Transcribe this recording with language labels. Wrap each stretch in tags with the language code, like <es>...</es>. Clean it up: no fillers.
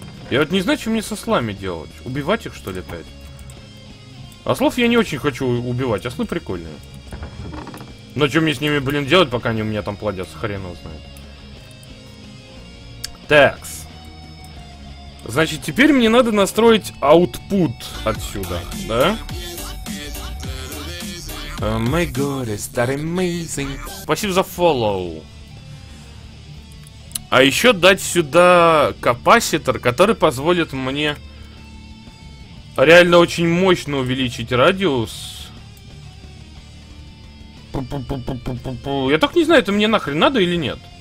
<ru>Я вот не знаю, что мне со слами делать. Убивать их, что ли, опять? Ослов я не очень хочу убивать. Ослы прикольные. Но что мне с ними, блин, делать, пока они у меня там плодятся? Хрен его знает. Такс. Значит, теперь мне надо настроить аутпут отсюда, да?</ru> <en>Oh my god, it's that amazing.</en> <ru>Спасибо за фоллоу. А еще дать сюда капаситор, который позволит мне реально очень мощно увеличить радиус. Я так не знаю, это мне нахрен надо или нет.</ru>